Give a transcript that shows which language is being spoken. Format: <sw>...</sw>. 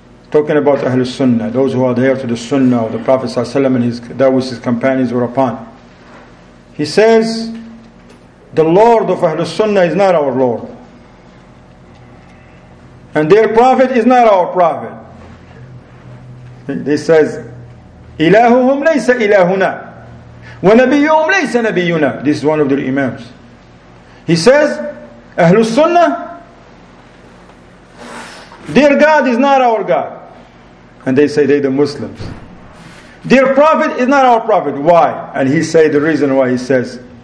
<en>Talking about Ahlul Sunnah, those who adhere to the Sunnah of the Prophet ﷺ and that which his companions were upon. He says, the Lord of Ahlul Sunnah is not our Lord. And their Prophet is not our Prophet. He says,</en> <ar>إِلَهُهُمْ لَيْسَ إِلَهُنَا وَنَبِيُّهُمْ لَيْسَ نَبِيُّنَا.</ar> <en>This is one of their imams. He says, Ahlul Sunnah, their God is not our God. And they say they're the Muslims. Their Prophet is not our Prophet. Why? And he says the reason why he says,</en>